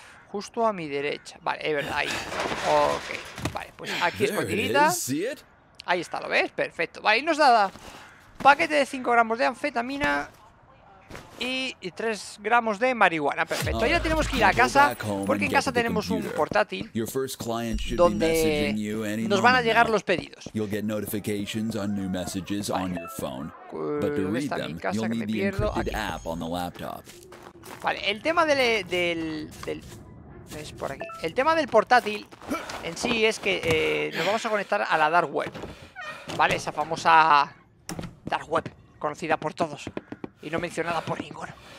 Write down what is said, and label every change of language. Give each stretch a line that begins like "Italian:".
Spanish: Justo a mi derecha. Vale, es verdad, ahí. Ok, vale, pues aquí es escondidita. Ahí está, ¿lo ves? Perfecto. Vale, y nos da paquete de 5 gramos de anfetamina y 3 gramos de marihuana. Perfecto, ahora tenemos que ir a casa, porque en casa tenemos un portátil donde nos van a llegar los pedidos.
English: You'll get notifications on new messages on your phone. But to read them, you'll need the encrypted
Spanish: aquí.
English: App on the laptop.
Spanish: Vale, el tema del es por aquí. El tema del portátil en sí es que nos vamos a conectar a la Dark Web. Vale, esa famosa Dark Web, conocida por todos y no mencionada por ninguno.